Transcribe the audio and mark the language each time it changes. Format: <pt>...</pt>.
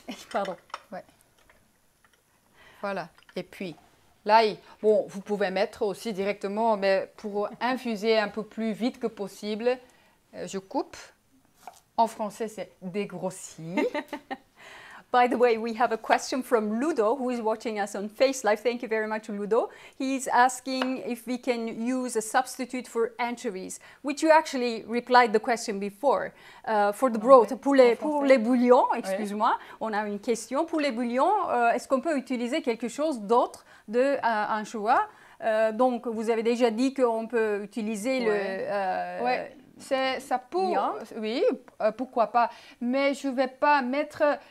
<fr>Pardon. Ouais. Voilà. Et puis... L'ail, bon, vous pouvez mettre aussi directement, mais pour infuser un peu plus vite que possible, je coupe. En français, c'est dégrossi.</fr> <en>By the way, we have a question from Ludo, who is watching us on FaceLive. Thank you very much, Ludo. He's asking if we can use a substitute for anchovies, which you actually replied the question before. For the broth,</en> <fr>pour les bouillons, excuse-moi, on a une question. Pour les bouillons, est-ce qu'on peut utiliser quelque chose d'autre de anchois? Donc, vous avez déjà dit qu'on peut utiliser le... C'est ça pour... Yeah. Oui, pourquoi pas. Mais je ne vais pas mettre...</fr>